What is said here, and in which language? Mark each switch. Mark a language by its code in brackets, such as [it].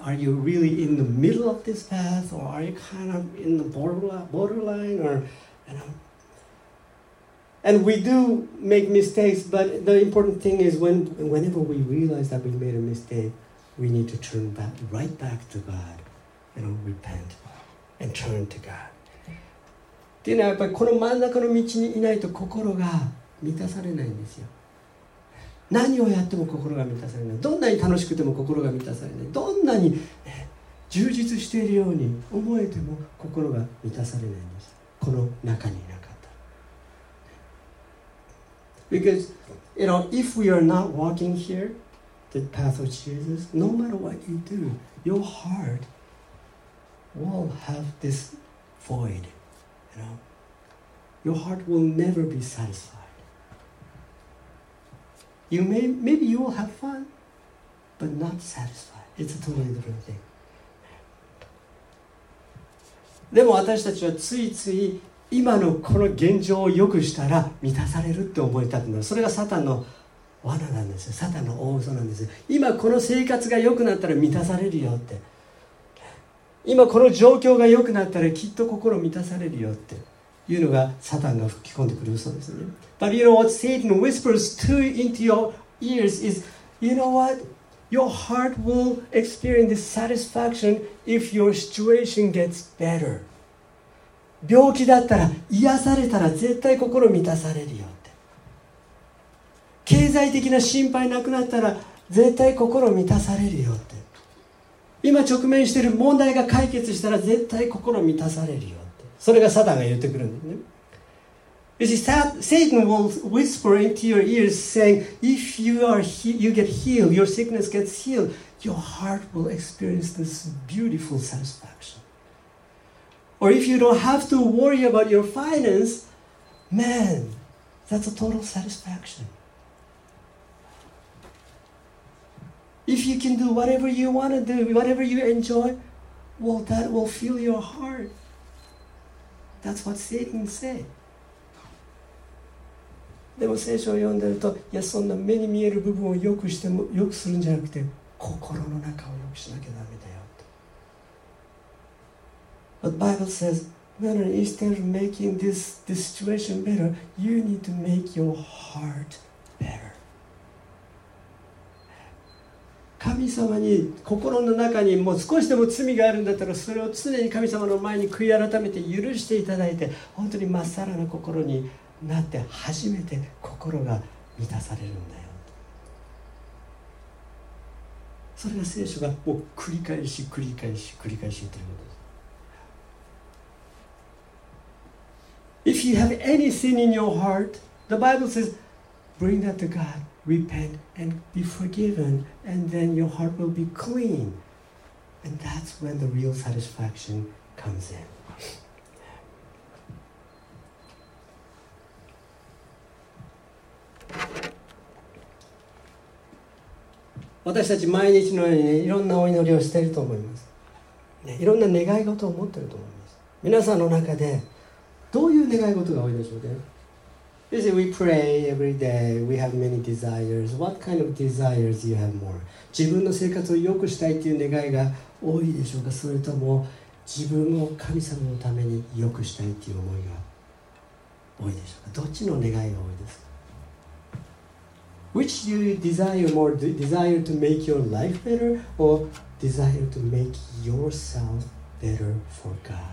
[en] Are you really in the middle of this path? Or are you kind of in the borderline? Or, you know? And we do make mistakes, but the important thing is whenever we realize that we made a mistake, we need to turn back, right back to God. You know, repent. And turn to God. [ja] っていうのはやっぱりこの真ん中の道にいないと心が満たされないんですよ。何をやっても心が満たされない。どんなに楽しくても心が満たされない。どんなに、ね、充実しているように思えても心が満たされないんです。この中にいなかったら。 [en] Because, you know, if we are not walking here, the path of Jesus, no matter what you do, your heartwill have this void, you know. Your heart will never be satisfied. Maybe you will have fun, but not satisfied. It's a totally different thing. [ja] でも私たちはついつい今のこの現状を良くしたら満たされるって思いたくなる。それがサタンの罠なんですよ。サタンの大嘘なんですよ。今この生活が良くなったら満たされるよって。今この状況が良くなったらきっと心満たされるよっていうのがサタンが吹き込んでくる嘘ですね。 [en] But you know what Satan whispers to into your ears is, you know what? Your heart will experience this satisfaction if your situation gets better. [ja] 病気だったら癒されたら絶対心満たされるよって。経済的な心配なくなったら絶対心満たされるよって。今直面している問題が解決したら絶対心満たされるよって。それがサタンが言ってくるんですね。 [en] You see, Satan will whisper into your ears saying, if you get healed, your sickness gets healed, your heart will experience this beautiful satisfaction. Or if you don't have to worry about your finance, man, that's a total satisfaction. If you can do whatever you want to do, whatever you enjoy, well, that will fill your heart. That's what Satan said. [ja] でも聖書を読んでると、いや、そんな目に見える部分を良くしても、良くするんじゃなくて、心の中を良くしなきゃダメだよと。 [en] But Bible says, [ja] なのに、 [en] instead of making this situation better, you need to make your heart better. [ja] 神様に心の中にもう少しでも罪があるんだったら、それを常に神様の前に悔い改めて許していただいて、本当にまっさらな心になって初めて心が満たされるんだよ。それが聖書がもう繰り返し繰り返し繰り返し言っていることです。 [en] If you have any sin in your heart, the Bible says, bring that to God, repent, and be forgiven, and then your heart will be clean. And that's when the real satisfaction comes in. [ja] 私たち毎日のようにね、いろんなお祈りをしていると思います、ね。いろんな願い事を持っていると思います。皆さんの中で、どういう願い事が多いでしょうね。 [en] You see, we pray every day, we have many desires. What kind of desires do you have more? [ja] 自分の生活を良くしたいという願いが多いでしょうか、それとも自分を神様のために良くしたいという思いが多いでしょうか。どっちの願いが多いですか。 [en] Which do you desire more? Desire to make your life better or desire to make yourself better for God?